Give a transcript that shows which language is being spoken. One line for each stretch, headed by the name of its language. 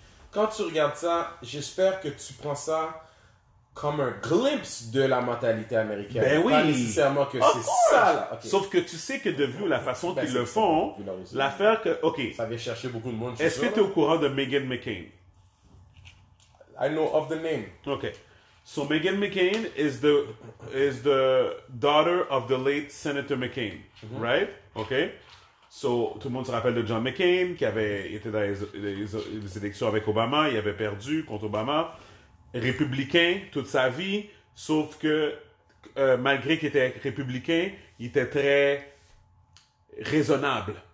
French: Quand tu regardes ça, j'espère que tu prends ça... comme un glimpse de la mentalité américaine. Ben oui. Pas nécessairement que of c'est course. Ça. Là. Okay. Sauf que tu sais que The View, la façon qu'ils le font, ça. L'affaire que... OK. Ça vient chercher beaucoup de monde. Est-ce que tu es au courant de Meghan McCain?
English: I know of the name. OK. So Meghan McCain is the daughter of the late Senator McCain. Mm-hmm. Right? OK.
French: So tout le monde se rappelle de John McCain qui avait été dans les élections avec Obama. Il avait perdu contre Obama. Républicain toute sa vie, sauf que malgré qu'il était républicain, il était très raisonnable.